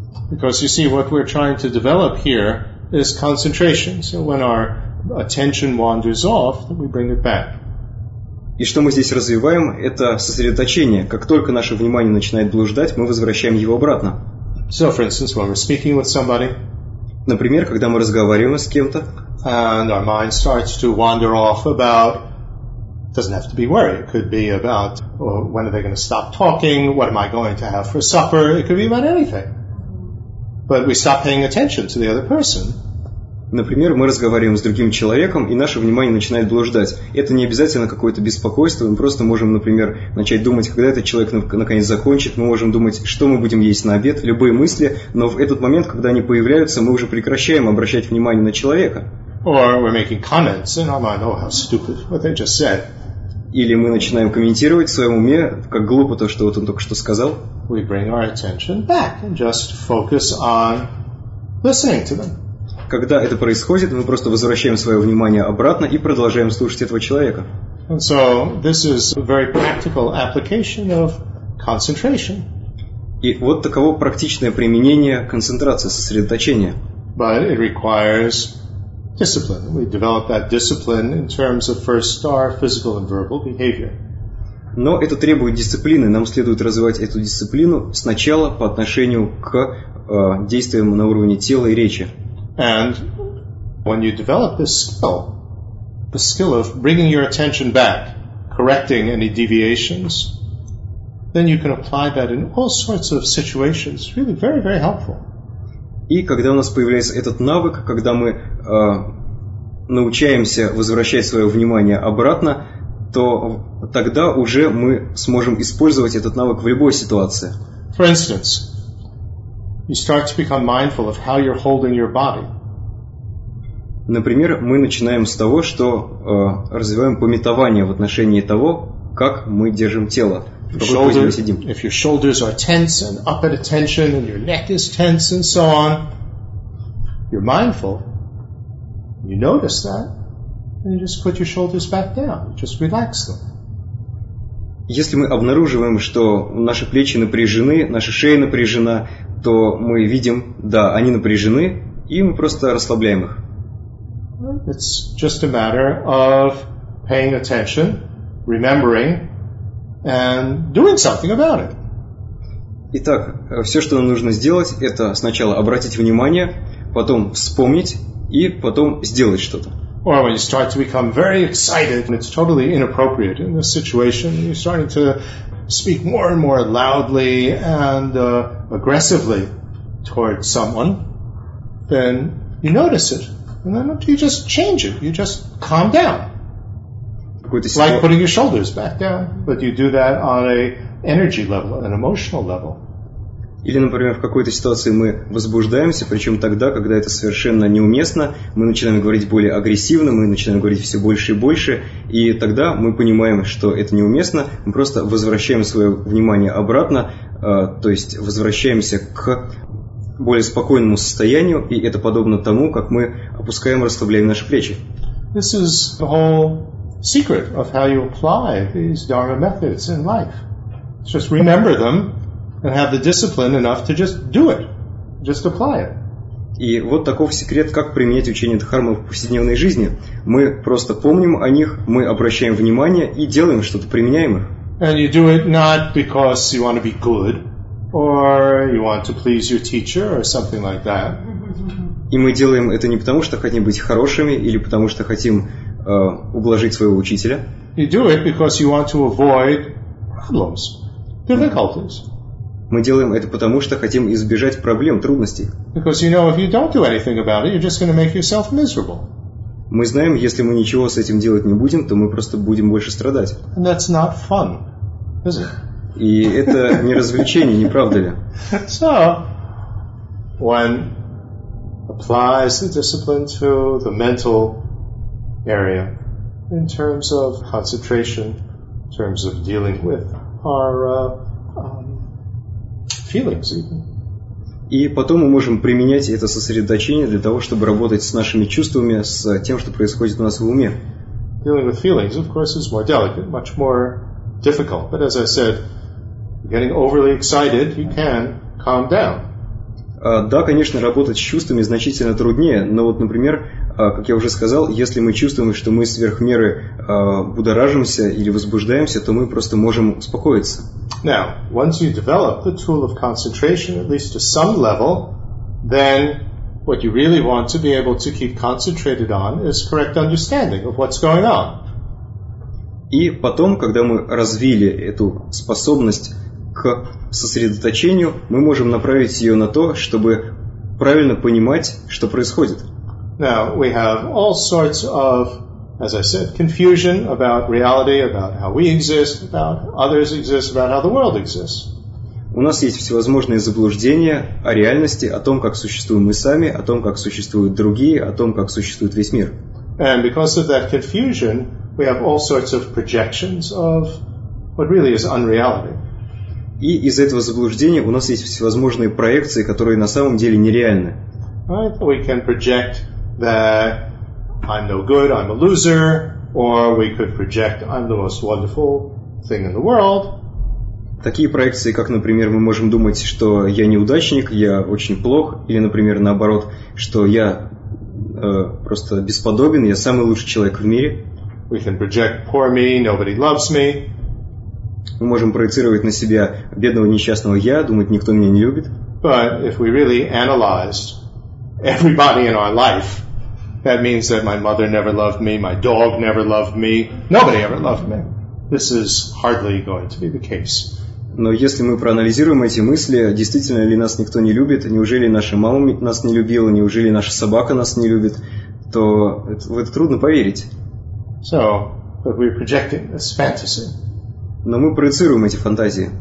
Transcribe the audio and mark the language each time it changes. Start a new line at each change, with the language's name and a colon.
English: Because you see, what we're trying to develop here is concentration. So when our attention wanders off, then we bring it back.
Russian: И что мы здесь развиваем, это сосредоточение. Как только наше внимание начинает блуждать, мы возвращаем его обратно.
English: So, for instance, when we're speaking with somebody,
Russian: например, когда мы разговариваем с кем-то,
English: and our mind starts to wander off about, doesn't have to be worry. It could be about, well, when are they going to stop talking? What am I going to have for supper? It could be about anything. But we stop paying attention to the other person.
Russian: Например, мы разговариваем с другим человеком, и наше внимание начинает блуждать. Это не обязательно какое-то беспокойство. Мы просто можем, например, начать думать, когда этот человек наконец закончит. Мы можем думать, что мы будем есть на обед. Любые мысли. Но в этот момент, когда они появляются, мы уже прекращаем обращать внимание на человека.
English: Or we're making comments in our mind, oh, how stupid what they just said.
Russian: Или мы начинаем комментировать в своем уме, как глупо то, что вот он только что сказал.
English: We bring our attention back and just focus on listening to them.
Russian: Когда это происходит, мы просто возвращаем свое внимание обратно и продолжаем слушать этого человека.
English: And so this is a very practical application of concentration.
Russian: И вот таково практичное применение концентрации, сосредоточения.
English: But it requires discipline. We develop that discipline in terms of first our physical and verbal behavior.
Russian: Но это требует дисциплины. Нам следует развивать эту дисциплину сначала по отношению к действиям на уровне тела и речи.
English: And when you develop this skill of bringing your attention back, correcting any deviations, then you can apply that in all sorts of situations. Really very, very helpful.
Russian: И когда у нас появляется этот навык, когда мы научаемся возвращать свое внимание обратно, то тогда уже мы сможем использовать этот навык в любой ситуации.
English: For instance, you start to become mindful of how you're holding your body.
Russian: Например, мы начинаем с того, что развиваем памятование в отношении того, как мы держим тело, в какой позе мы сидим.
English: If your shoulders are tense and up at attention, and your neck is tense and so on, you're mindful, you notice that, and you just put your shoulders back down, just relax them.
Russian: Если мы обнаруживаем, что наши плечи напряжены, наша шея напряжена, то мы видим, да, они напряжены, и мы просто расслабляем их.
English: It's just a matter of paying attention, remembering, and doing something about it.
Russian: Итак, все, что нам нужно сделать, это сначала обратить внимание, потом вспомнить и потом сделать что-то.
English: Or when you start to become very excited and it's totally inappropriate in this situation, you're starting to speak more and more loudly and aggressively towards someone, then you notice it. And then you just change it. You just calm down.
Russian: какой-то ситуации.
English: Like putting your shoulders back down, but you do that on a energy level, an emotional level.
Russian: Или, например, в какой-то ситуации мы возбуждаемся, причем тогда, когда это совершенно неуместно, мы начинаем говорить более агрессивно, мы начинаем говорить все больше и больше, и тогда мы понимаем, что это неуместно, мы просто возвращаем свое внимание обратно, то есть возвращаемся к более спокойному состоянию, и это подобно тому, как мы опускаем, расслабляем наши плечи.
English: This is the whole secret of how you apply these Dharma methods in life. Just remember them and have the discipline enough to just do it, just apply it.
Russian: И вот таков секрет, как применять учение Дхармы в повседневной жизни. Мы просто помним о них, мы обращаем внимание и делаем что-то, применяем их.
English: And you do it not because you want to be good, or you want to please your teacher, or something like that.
Russian: И мы делаем это не потому, что хотим быть хорошими, или потому, что хотим ублажить своего учителя.
English: You do it because you want to avoid problems, difficulties.
Russian: Мы делаем это потому, что хотим избежать проблем, трудностей.
English: Because you know, if you don't do anything about it, you're just going to make yourself miserable.
Russian: Мы знаем, если мы ничего с этим делать не будем, то мы просто будем больше страдать.
English: And that's not fun, is it?
Russian: И это не развлечение, не правда ли?
English: So, one applies the discipline to the mental area in terms of concentration, in terms of dealing with our feelings even.
Russian: И потом мы можем применять это сосредоточение для того, чтобы работать с нашими чувствами, с тем, что происходит у нас в уме.
English: Dealing with feelings, of course, is more delicate, much more difficult. But as I said, getting overly excited, you can calm down.
Russian: Да, конечно, работать с чувствами значительно труднее. Но вот, например, как я уже сказал, если мы чувствуем, что мы сверх меры будоражимся или возбуждаемся, то мы просто можем успокоиться.
English: Now, once you develop the tool of concentration, at least to some level, then what you really want to be able to keep concentrated on is correct understanding of what's going on.
Russian: И потом, когда мы развили эту способность к сосредоточению, мы можем направить ее на то, чтобы правильно понимать, что происходит.
English: Now, we have all sorts of, as I said, confusion about reality, about how we exist, about others exist, about how the world exists.
Russian: У нас есть всевозможные заблуждения о реальности, о том, как существуем мы сами, о том, как существуют другие, о том, как существует весь мир.
English: And because of that confusion, we have all sorts of projections of what really is unreality.
Russian: И из этого заблуждения у нас есть всевозможные проекции, которые на самом деле нереальны.
English: Right? We can project that I'm no good, I'm a loser, or we could project I'm the most wonderful thing in the world.
Russian: Такие проекции, как, например, мы можем думать, что я неудачник, я очень плох, или, например, наоборот, что я просто бесподобен, я самый лучший человек в мире.
English: We can project poor me, nobody loves me.
Russian: Мы можем проецировать на себя бедного несчастного я, думать, никто меня не любит.
English: But if we really analyzed everybody in our life, that means that my mother never loved me, my dog never loved me, nobody ever loved me. This is hardly going to be the case.
Russian: Но если мы проанализируем эти мысли, действительно ли нас никто не любит, неужели наша мама нас не любила, неужели наша собака нас не любит, то в это трудно поверить.
English: So, but we're projecting this fantasy. Но мы проецируем эти фантазии.